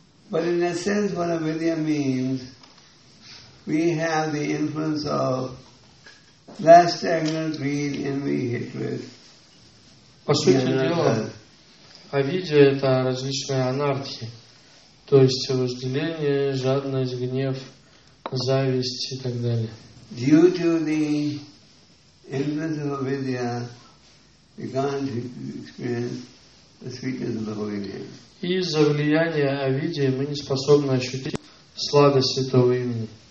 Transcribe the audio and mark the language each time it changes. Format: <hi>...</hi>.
<en>But in a sense, what Avidya means, we have the influence of lust, anger, greed, envy, hatred.</en> <ru>По сути дела, Авидья — это различные анархии, то есть вожделение, жадность, гнев, зависть и так далее.</ru> <en>Due to the influence of Avidya, we can't experience the sweetness of the Holy Name.</en> <ru>И из-за влияния Авидии мы не способны ощутить сладость Святого Имени.</ru>